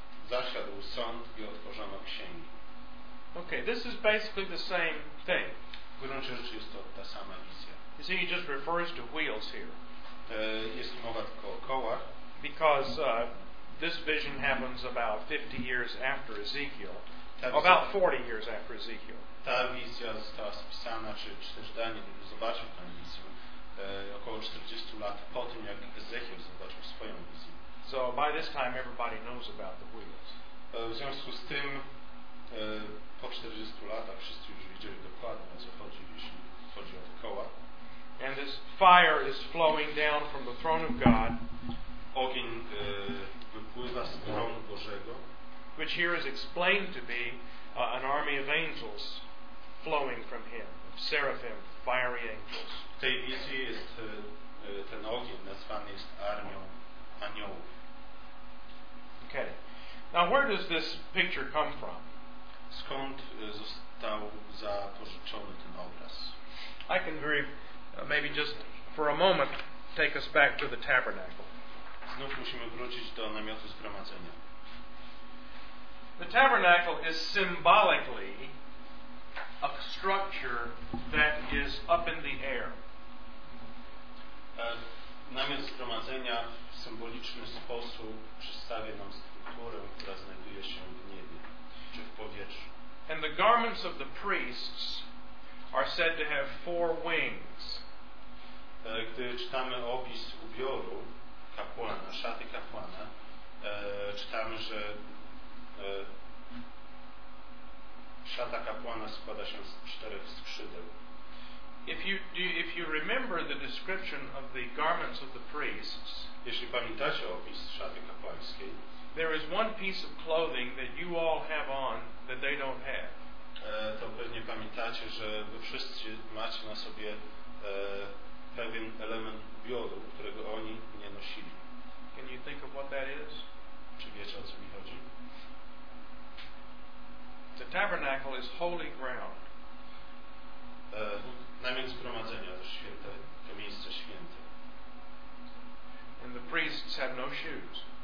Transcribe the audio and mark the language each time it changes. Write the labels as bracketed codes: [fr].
[pl] Zasiadł sąd i otworzono księgi. [en] Okay, this is basically the same thing. [pl] W gruncie rzeczy jest to ta sama wizja. [en] You see, he just refers to wheels here. [pl] Jest mowa tylko o kołach. [en] Because this vision happens about 50 years after Ezekiel. About 40 years after Ezekiel. [pl] Ta wizja została spisana, czy też Daniel zobaczył tę wizję około 40 lat po tym, jak Ezekiel zobaczył swoją wizję. [en] So by this time everybody knows about the wheels. [pl] W związku z tym po 40 latach wszyscy już wiedzieli dokładnie, o co chodzi, jeśli chodzi o te koła. [en] And this fire is flowing down from the throne of God. [pl] Ogień wypływa z tronu Bożego. [en] Which here is explained to be an army of angels flowing from him, of seraphim, fiery angels. [pl] W tej wizji jest ten ogień nazwany jest armią aniołów. [en] Okay. Now where does this picture come from? [pl] Skąd został zapożyczony ten obraz? [en] I can very maybe just for a moment take us back to the tabernacle. [pl] Znów musimy wrócić do namiotu zgromadzenia. [en] The tabernacle is symbolically a structure that is up in the air. [pl] Namiot zgromadzenia w symboliczny sposób przedstawia nam strukturę, która znajduje się w niebie, czy w powietrzu. [en] And the garments of the priests are said to have four wings. [pl] Gdy czytamy opis ubioru kapłana, szaty kapłana, czytamy, że szata kapłana składa się z czterech skrzydeł. [en] If you remember the description of the garments of the priests, [pl] jeśli pamiętacie opis szaty kapłańskiej, [en] there is one piece of clothing that you all have on that they don't have. [pl] To pewnie pamiętacie, że wy wszyscy macie na sobie pewien element ubioru, którego oni nie nosili. [en] Can you think of what that is? [pl] Czy wiecie, o co mi chodzi? [en] The tabernacle is holy ground. [pl] Namiot zgromadzenia to święte, to miejsce święte. [en] And the priests have no shoes.